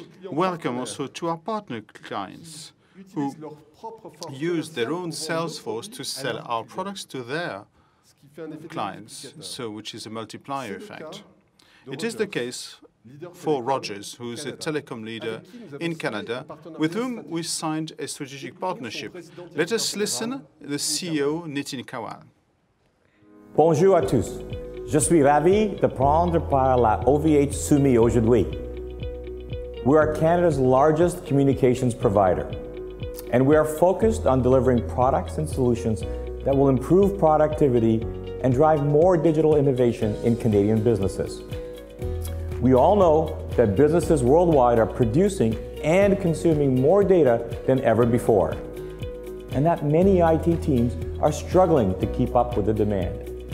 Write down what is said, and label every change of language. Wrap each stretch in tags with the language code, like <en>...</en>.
<en>Welcome also to our partner clients who use their own sales force to sell our products to their clients, so which is a multiplier effect. It is the case for Rogers, who is a telecom leader in Canada, with whom we signed a strategic partnership. Let us listen to the CEO, Nitin Kawale.</en> <fr>Bonjour à tous. Je suis ravi de prendre part à la OVH Sumi aujourd'hui.</fr> <en>We are Canada's largest communications provider, and we are focused on delivering products and solutions that will improve productivity and drive more digital innovation in Canadian businesses. We all know that businesses worldwide are producing and consuming more data than ever before, and that many IT teams are struggling to keep up with the demand.</en>